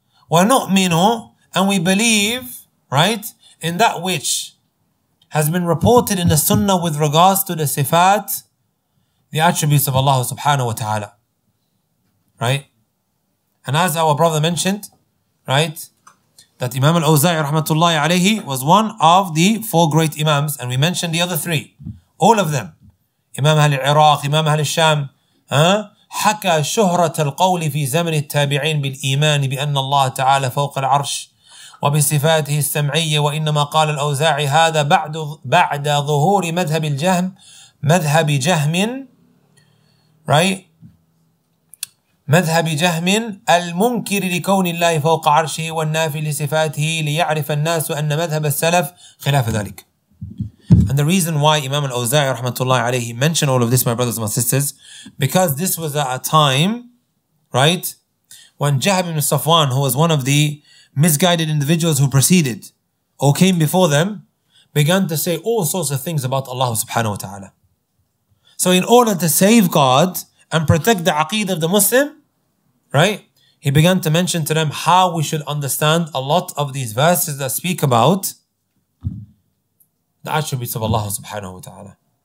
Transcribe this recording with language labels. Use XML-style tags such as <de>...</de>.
<en>وَنُؤْمِنُ, and we believe, right, in that which has been reported in the Sunnah with regards to the sifat, the attributes of Allah subhanahu wa ta'ala. Right? And as our brother mentioned, right, that Imam al-Awza'i rahmatullahi alayhi was one of the four great Imams, and we mentioned the other three, all of them.</en> <ar>Imam Ahl al-Iraq, Imam Ahl al-Sham, حَكَى شُهْرَةَ الْقَوْلِ فِي زَمْنِ التَّابِعِينَ بِالْإِيمَانِ بِأَنَّ اللَّهَ تَعَالَى فَوْقَ الْعَرْشِ وبصفاته السمعية وإنما قال الأوزاعي هذا بعد ظهور مذهب الجهم مذهب جهم right مذهب جهم المنكر لكون الله فوق عرشه والنافي لصفاته ليعرف الناس أن مذهب السلف خلاف ذلك.</ar> <en>And the reason why Imam al-Awza'i رحمة الله عليه mentioned all of this, my brothers and my sisters, because this was at a time, right, when Jahm ibn Safwan, who was one of the misguided individuals who preceded or came before them, began to say all sorts of things about Allah subhanahu wa ta'ala. So in order to save God and protect the aqeedah of the Muslim, right, he began to mention to them how we should understand a lot of these verses that speak about the attributes of Allah subhanahu wa ta'ala.</en>